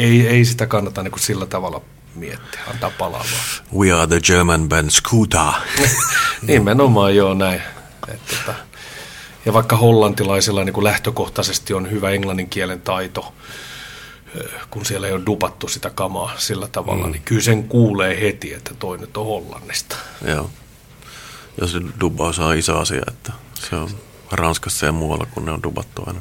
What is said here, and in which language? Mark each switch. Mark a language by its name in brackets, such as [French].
[Finnish] Ei sitä kannata niin kuin sillä tavalla miettiä, antaa palaa vaan. [English] We are the German band Scooter. [Finnish] Nimenomaan joo näin. Et, ja vaikka hollantilaisilla niin kuin lähtökohtaisesti on hyvä englannin kielen taito, kun siellä ei ole dupattu sitä kamaa sillä tavalla, niin kyllä sen kuulee heti, että toi nyt on hollannista. Joo. Ja se dubaus on iso asia, että se on Ranskassa ja muualla, kun ne on dubattu aina.